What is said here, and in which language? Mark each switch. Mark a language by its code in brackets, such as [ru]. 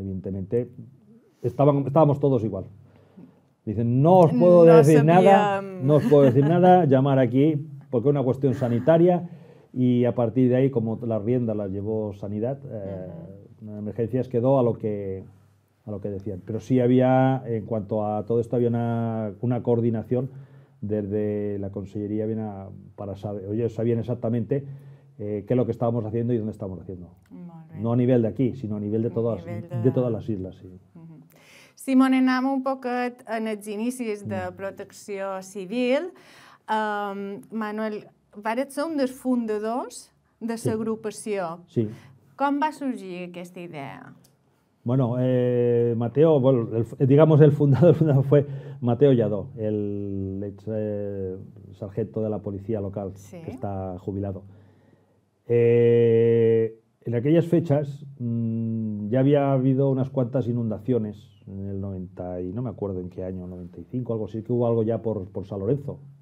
[es] Evidentemente, estábamos todos igual. Dicen, no os puedo decir nada, no os puedo decir nada, llamar aquí porque es una cuestión sanitaria y a partir de ahí, como la rienda la llevó Sanidad, emergencias quedó a lo que decían. Pero sí había, en cuanto a todo esto, había una coordinación desde la consellería para saber, ellos sabían exactamente qué es lo que estábamos haciendo y dónde estábamos haciendo. No a nivel de aquí, sino a nivel de todas las islas. Sí. [ca] Simon, anem un poquet en els inicis de protecció civil. Manuel, vares ser un dels fundadors de l'agrupació. Sí. Com va sorgir aquesta idea? [es] Bueno, Mateo, bueno, digamos el fundador fue Mateo Lladó, el ex sargento de la policía local, sí, que está jubilado. En aquellas fechas ya había habido unas cuantas inundaciones en el 90 y no me acuerdo en qué año, 95, algo así, que hubo algo ya por San Lorenzo.